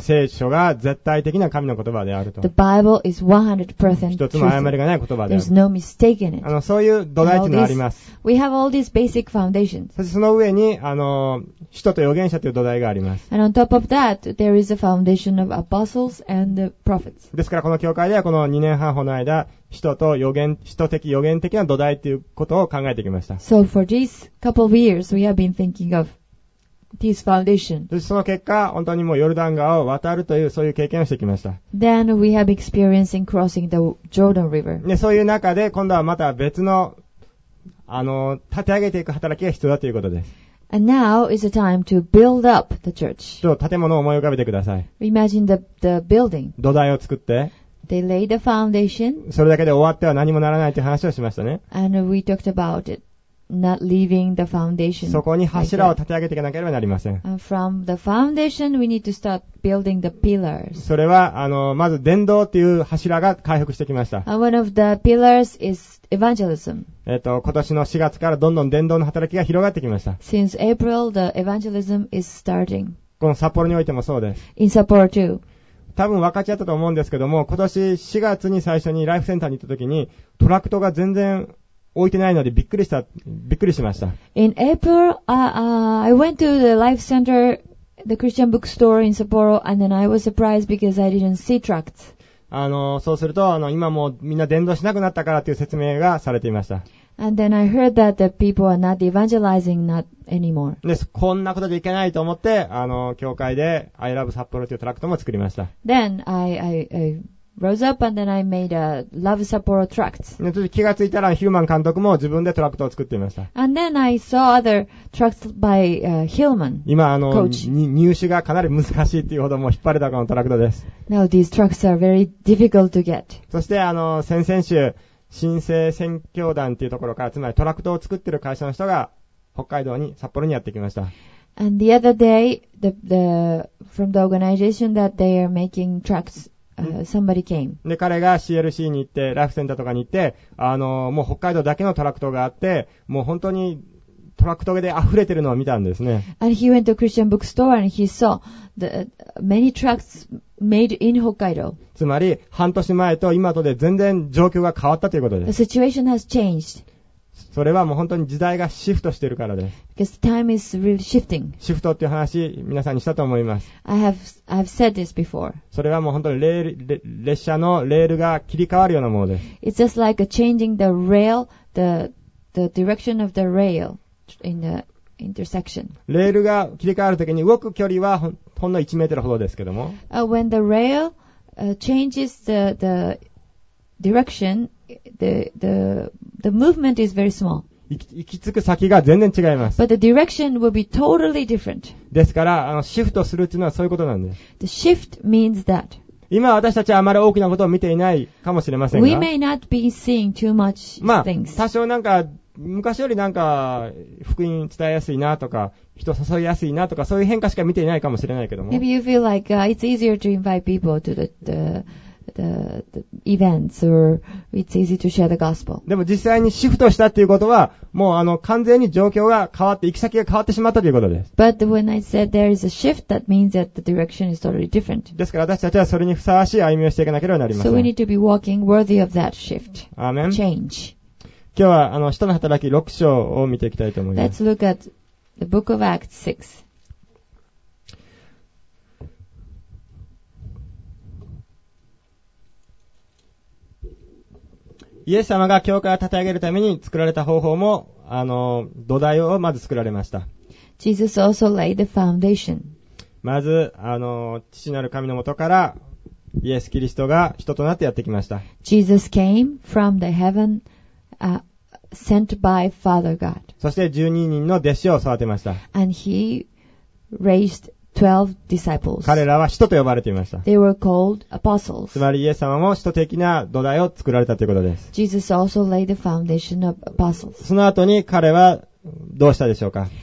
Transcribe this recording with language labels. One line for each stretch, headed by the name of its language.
Japanese: 聖書が絶対的な神の言葉であると。
English: The Bible is 100% truth.
Japanese: 一つも誤りがない言葉である。
English: There's no mistake in it.
Japanese: そういう土台というのがあります。
English: We have all these basic foundations.
Japanese: そしてその上に、使徒と預言者という土台があります。
English: And on top of that, there is a foundation of apostles and the prophets.
Japanese: ですからこの教会ではこの2年半ほどの間、人と予言、人的予言的な土台ということを考えてきました。
English: So for these couple of years, we have been thinking of this foundation.
Japanese: その結果、本当にもうヨルダン川を渡るというそういう経験をしてきました。
English: Then we have experiencing crossing the Jordan River.
Japanese: で、そういう中で今度はまた別の、立て上げていく働きが必要だということです。
English: And now is the time to build up the church.
Japanese: ちょっと建物を思い浮かべてください。
English: Imagine the building.
Japanese: 土台を作って、
English: They laid the foundation.
Japanese: それだけで終わっては何もならないという話をしましたね。
English: And we talked about it, not leaving the foundation.
Japanese: そこに柱を立て上げていかなければなりません。
English: And from the foundation, we need to start building the pillars.
Japanese: それはまず伝道という柱が回復してきました。
English: And one of the pillars is evangelism.
Japanese: 今年の4月からどんどん伝道の働きが広がってきました。
English: Since April, the evangelism is starting.
Japanese: この札幌においてもそうです。
English: In Sapporo too.
Japanese: 多分分かっちゃったと思うんですけども、今年4月に最初にライフセンターに行った時に、トラクトが全然置いてないのでびっくりしました。
English: In April, I went to the Life Center, the Christian bookstore in Sapporo, and then I was surprised because I didn't see tracts.
Japanese: そうすると、今もうみんな伝道しなくなったからという説明がされていました。
English: And then I heard that the people are not evangelizing not anymore.
Japanese: です。こんなことでいけないと思って、教会で I Love Sapporo というトラクトも作りました。
English: Then I rose up and then I made a Love Sapporo tract.
Japanese: で、そして気がついたらヒルマン監督も自分でトラクトを作っていました。
English: And then I saw other tracts by Hillman.
Japanese: 今入手がかなり難しいっていうほどもう引っ張れたこのトラクトです。
English: Now these tracts are very difficult to get.
Japanese: そして先々週、新生宣教団というところから、つまりトラクトを作っている会社の人が北海道に札幌にやってきました。
English: And the other day, the from the organization that they are making tracks, somebody came.
Japanese: で、彼が CLC に行って、ライフセンターとかに行って、もう北海道だけのトラクトがあって、もう本当にトラクトで溢れてるのを見たんですね。
English: And he went to Christian bookstore and he saw the many tracks made in Hokkaido.
Japanese: つまり、半年前と今とで全然状況が変わったということです。
English: The situation has changed.
Japanese: それはもう本当に時代がシフトしてるからです。
English: Because time is really shifting.
Japanese: シフトっていう話、皆さんにしたと思います。
English: I've said this before.
Japanese: それはもう本当にレール、列車のレールが切り替わるようなものです。
English: It's just like a changing the rail, the direction of the rail. In the intersection.
Japanese: レールが切り替わるときに動く距離は ほんの1メートルほどですけども、
English: When the rail changes the direction, the movement is very small.
Japanese: 行き着く先が全然違います。
English: But the direction will be totally different.
Japanese: ですから、シフトするというのはそういうことなんです。
English: The shift means that.
Japanese: 今私たちはあまり大きなことを見ていないかもしれませんが、
English: We may not be seeing too much things.
Japanese: 多少なんか昔よりなんか福音伝えやすいなとか人誘いやすいなとかそういう変化しか見ていないかもしれないけども。
English: Maybe you feel like it's easier to invite people to the events or it's easy to share the gospel.
Japanese: でも実際にシフトしたっていうことはもう完全に状況が変わって行き先が変わってしまったということです。
English: But when I said there is a shift, that means that the direction is totally different.
Japanese: ですから私たちはそれにふさわしい歩みをしていかなければなりません。
English: So we need to be walking worthy of that shift. Amen. Change.
Japanese: 今日は使徒の働き6章を見ていきたいと思います。
English: Let's look at the book of Acts 6.
Japanese: イエス様が教会を立て上げるために作られた方法も土台をまず作られました。
English: Jesus also laid the foundation.
Japanese: まず父なる神のもとからイエス・キリストが人となってやってきました。
English: Jesus came from the heaven, Sent by Father God.
Japanese: そして12人の弟子を育てました。
English: And he raised 12 disciples.
Japanese: 彼らは使徒と呼ばれていました。
English: They were called apostles.
Japanese: つまりイエス様も使徒的な土台を作られたということです。
English: Jesus also laid the foundation of apostles.
Japanese: その後に彼はどうしたでしょうか。